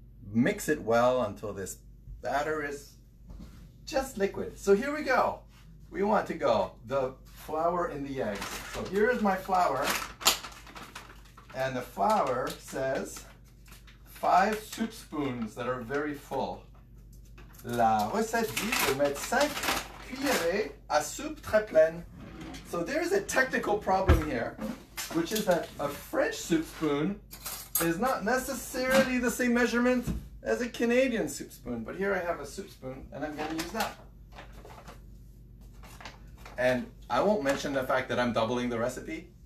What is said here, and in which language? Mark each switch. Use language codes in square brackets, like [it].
[en] Mix it well until this batter is just liquid. So here we go. We want to go the flour in the eggs. So here is my flour. And the flour says 5 soup spoons that are very full. [fr] La recette dit de mettre 5 cuillerées à soupe très pleine. [en] So there is a technical problem here, which is that a French soup spoon is not necessarily the same measurement as a Canadian soup spoon. But here I have a soup spoon and I'm going to use that. And I won't mention the fact that I'm doubling the recipe.